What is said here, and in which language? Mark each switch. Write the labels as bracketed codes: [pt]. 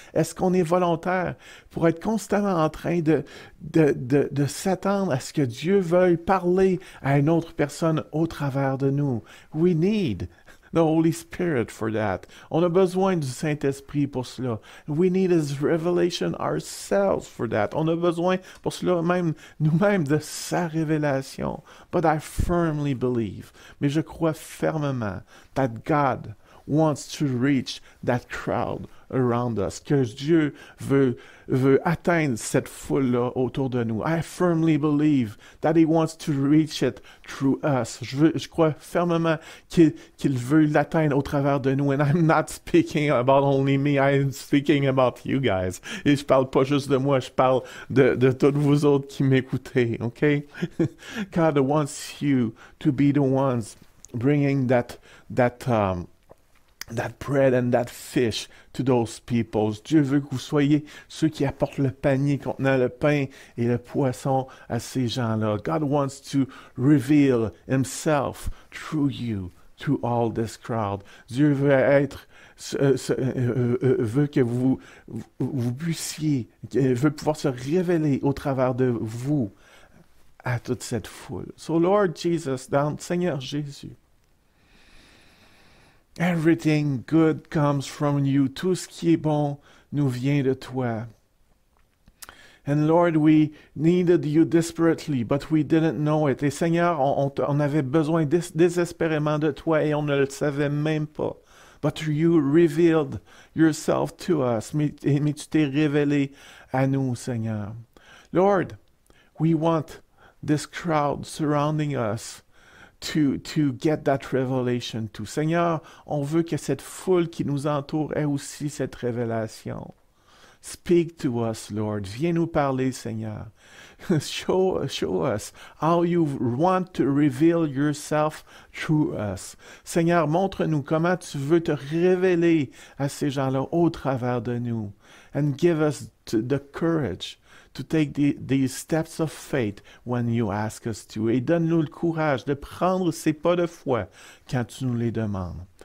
[fr] Est-ce qu'on est volontaire pour être constamment en train de s'attendre à ce que Dieu veuille parler à une autre personne au travers de nous? [en] We need the Holy Spirit for that. [fr] On a besoin du Saint-Esprit pour cela. [en] We need his revelation ourselves for that. [fr] On a besoin pour cela même, nous-mêmes, de sa révélation. [en] But I firmly believe, [fr] mais je crois fermement, [en] that God wants to reach that crowd around us. [fr] Que Dieu veut atteindre cette foule-là autour de nous. [en] I firmly believe that he wants to reach it through us. [fr] Je crois fermement qu'il veut l'atteindre au travers de nous. [en] And I'm not speaking about only me. I'm speaking about you guys. [fr] Et je parle pas juste de moi. Je parle de tous vous autres qui m'écoutez. [en] Okay? God wants you to be the ones bringing that bread and that fish to those peoples. [fr] Dieu veut que vous soyez ceux qui apportent le panier contenant le pain et le poisson à ces gens-là. [en] God wants to reveal himself through you to all this crowd. [fr] Dieu veut être veut que vous puissiez, veut pouvoir se révéler au travers de vous à toute cette foule. [en] So Lord Jesus, Seigneur Jésus, everything good comes from you. [fr] Tout ce qui est bon nous vient de toi. [en] And Lord, we needed you desperately, but we didn't know it. [fr] Et Seigneur, on avait besoin désespérément de toi et on ne le savait même pas. [en] But you revealed yourself to us. [fr] Mais tu t'es révélé à nous, Seigneur. [en] Lord, we want this crowd surrounding us to get that revelation too. [fr] Seigneur, on veut que cette foule qui nous entoure ait aussi cette révélation. [en] Speak to us, Lord. [fr] Viens nous parler, Seigneur. [en] Show us how you want to reveal yourself through us. [fr] Seigneur, montre-nous comment tu veux te révéler à ces gens-là au travers de nous. [en] And give us the courage to take these steps of faith when you ask us to. [fr] Et donne-nous le courage de prendre ces pas de foi quand tu nous les demandes.